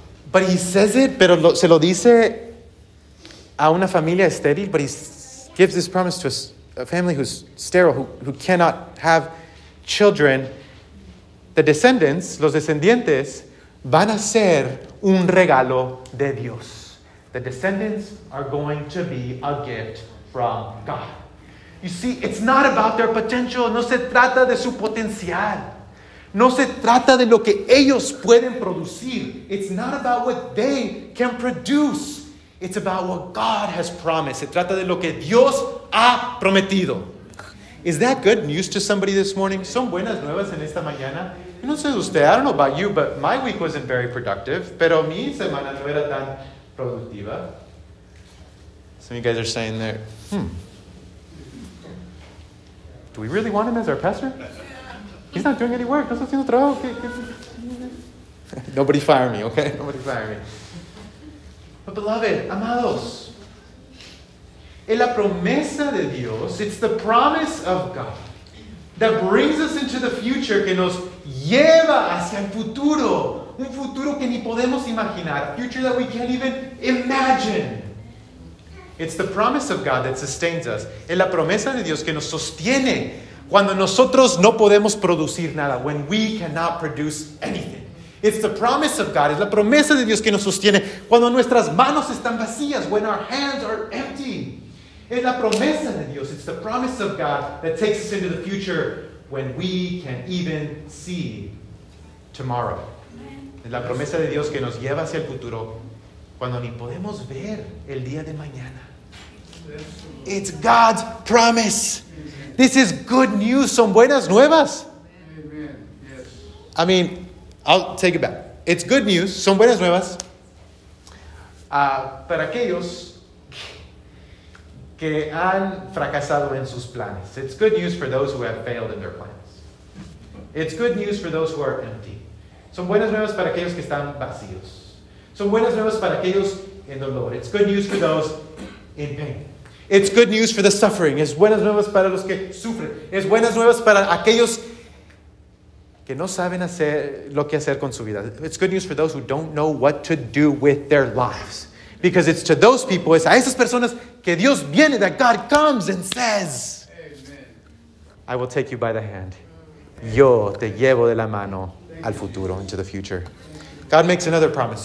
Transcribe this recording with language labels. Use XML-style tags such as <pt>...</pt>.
<en>But he says it,</en> <es>pero se lo dice a una familia estéril,</es> <en>but he gives this promise to a family who's sterile, who cannot have children. The descendants,</en> <es>los descendientes, van a ser un regalo de Dios.</es> <en>The descendants are going to be a gift from God. You see, it's not about their potential.</en> <es>No se trata de su potencial. No se trata de lo que ellos pueden producir.</es> <en>It's not about what they can produce. It's about what God has promised.</en> <es>Se trata de lo que Dios ha prometido.</es> <en>Is that good news to somebody this morning?</en> <es>¿Son buenas nuevas en esta mañana? Yo no sé usted,</es> <en>I don't know about you, but my week wasn't very productive.</en> <es>Pero mi semana no era tan productiva.</es> <en>Some of you guys are saying there, do we really want him as our pastor? He's not doing any work.</en> <es>No está haciendo trabajo.</es> <en>Nobody fire me, okay? Nobody fire me. But beloved,</en> <es>amados, es la promesa de Dios,</es> <en>it's the promise of God</en> <es>that brings us into the future, que nos lleva hacia el futuro, un futuro que ni podemos imaginar,</es> <en>a future that we can't even imagine. It's the promise of God that sustains us.</en> <es>Es la promesa de Dios que nos sostiene cuando nosotros no podemos producir nada,</es> <en>when we cannot produce anything. It's the promise of God.</en> <es>Es la promesa de Dios que nos sostiene cuando nuestras manos están vacías,</es> <en>when our hands are empty.</en> <es>Es la promesa de Dios.</es> <en>It's the promise of God that takes us into the future when we can even see tomorrow.</en> <es>Es la promesa de Dios que nos lleva hacia el futuro cuando ni podemos ver el día de mañana.</es> <en>It's God's promise. This is good news.</en> <es>Son buenas nuevas.</es> <en>Amen. Yes. I mean, I'll take it back. It's good news.</en> <es>Son buenas nuevas. Para aquellos que han fracasado en sus planes.</es> <en>It's good news for those who have failed in their plans. It's good news for those who are empty.</en> <es>Son buenas nuevas para aquellos que están vacíos. Son buenas nuevas para aquellos en dolor.</es> <en>It's good news for those in pain. It's good news for the suffering.</en> <es>Es buenas nuevas para los que sufren. Es buenas nuevas para aquellos que no saben hacer lo que hacer con su vida.</es> <en>It's good news for those who don't know what to do with their lives. Because it's to those people,</en> <es>es a esas personas que Dios viene,</es> <en>that God comes and says, amen. I will take you by the hand.</en> <es>Yo te llevo de la mano al futuro,</es> <en>into the future. God makes another promise.</en>